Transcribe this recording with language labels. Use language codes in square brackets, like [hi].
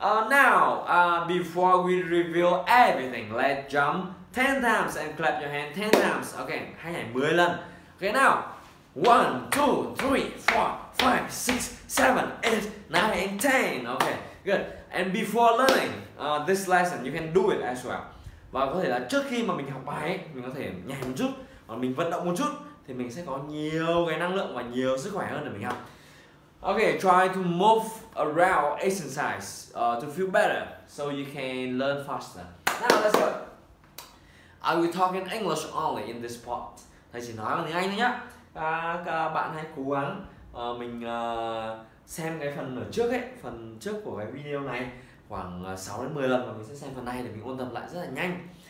[en] Now, before we reveal everything, let's jump 10 times and clap your hand 10 times. Okay, [vi] hãy nhảy 10 lần. [en] Okay, now. 1, 2, 3, 4, 5, 6, 7, 8, 9, and 10. Okay, good. And before learning this lesson, you can do it as well. [vi] Và có thể là trước khi mà mình học bài ấy, mình có thể nhảy một chút, hoặc mình vận động một chút, thì mình sẽ có nhiều cái năng lượng và nhiều sức khỏe hơn để mình học. [en] Okay, try to move around exercise to feel better so you can learn faster. Now let's go. I will talk in English only in this part. [vi] Thầy chỉ nói bằng tiếng Anh thôi nhá. Các bạn hãy cố gắng mình xem cái phần ở trước ấy, phần trước của cái video này khoảng 6 đến 10 lần và mình sẽ xem phần này để mình ôn tập lại rất là nhanh.